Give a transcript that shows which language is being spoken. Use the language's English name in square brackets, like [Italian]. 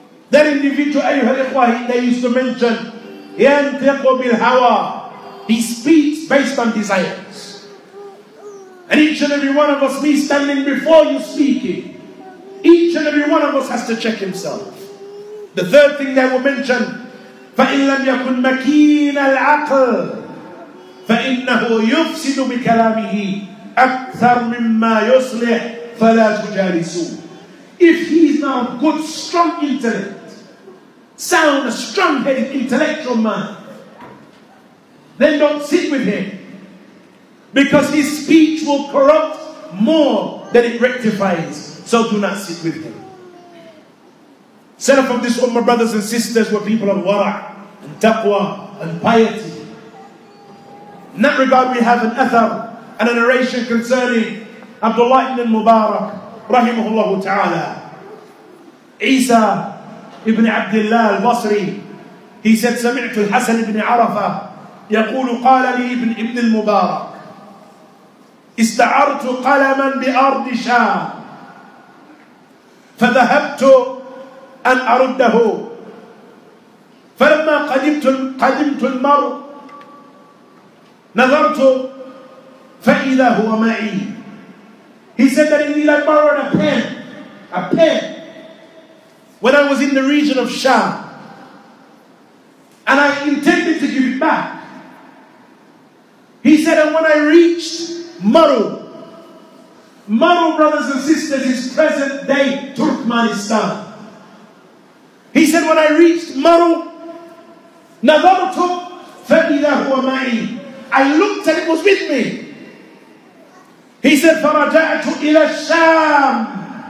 [English] That individual, ayyuhal ikhwah, they used to mention, [Arabic] يَنْتَقُ بِالْهَوَى. [English] He speaks based on desires. And each and every one of us, me standing before you speaking, each and every one of us has to check himself. The third thing they will mention, [Arabic] فَإِنْ لَمْ يَكُنْ مَكِينَ الْعَقْلِ فَإِنَّهُ يُفْسِدُ بِكَلَامِهِ أَكْثَرْ مِمَّا يُصْلِحْ فَلَا تُجَالِسُوهُ. [English] If he's not a good, strong intellect, sound, a strong-headed, intellectual man, then don't sit with him, because his speech will corrupt more than it rectifies. So do not sit with him. Salaf of this ummah, brothers and sisters, were people of wara' and taqwa and piety. In that regard, we have an athar and a narration concerning Abdullah ibn Mubarak, rahimahullah ta'ala. [Arabic] Isa ibn Abdullah al-Basri, [English] he said, [Arabic] سمعت الحسن ibn عرفة يقول قال لي ابن المبارك استعرت قلما بأرض شام فذهبت أن أرده فلما قدمت المرء نظرت فإذا هو معي. [English] He said that indeed I borrowed a pen, when I was in the region of Sham, and I intended to give it back. He said, and when I reached Maru, brothers and sisters, is present day Turkmenistan. He said, when I reached Maru, [Arabic] نَظَرْتُ فَإِذَهُ مَعِي. [English] I looked and it was with me. He said, [Arabic] فَرَجَعْتُ إِلَى الشَّام.